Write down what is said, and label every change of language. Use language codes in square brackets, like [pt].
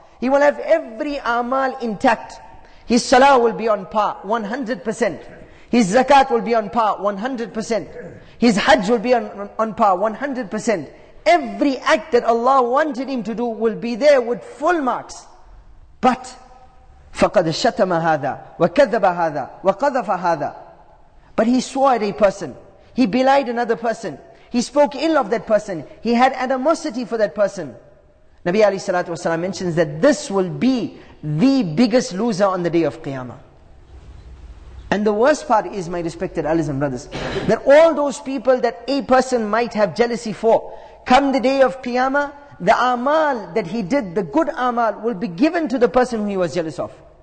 [en] He will have every amal intact. His salah will be on par, 100%. His zakat will be on par, 100%. His hajj will be on par, 100%. Every act that Allah wanted him to do will be there with full marks. [ar] But, فَقَدْ شَتَمَ هَذَا وَكَذَّبَ هَذَا وَقَذَفَ هَذَا. [en] But he swore at a person. He belied another person. He spoke ill of that person. He had animosity for that person. Nabi alayhi salatu wasalam mentions that this will be the biggest loser on the day of Qiyamah. And the worst part is, my respected elders and brothers, that all those people that a person might have jealousy for, come the day of Qiyamah, the amal that he did, the good amal, will be given to the person who he was jealous of.